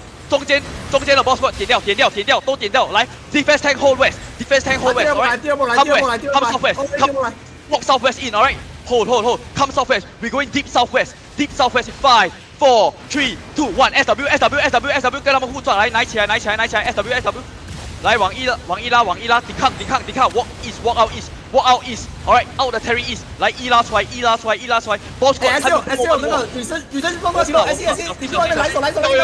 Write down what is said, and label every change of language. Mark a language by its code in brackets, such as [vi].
[zh] 中间的 boss squad 点掉，都点掉。 [en] 来 ，defense tank hold west，defense tank hold west， [zh] 来， [en] come southwest，come southwest in，all right，hold，come southwest，we going deep southwest， 5, 4, 3, 2, 1，SW， [zh] 跟他们互撞，来，拿起来 [en] ，SW， [zh] 来往一拉，抵抗 [en] ，walk east，walk out east， all right，out the Terry east， [zh] 来一拉出来 [en] ，boss squad， [zh] 那个女生放过去了 ，SC 放过来，来走，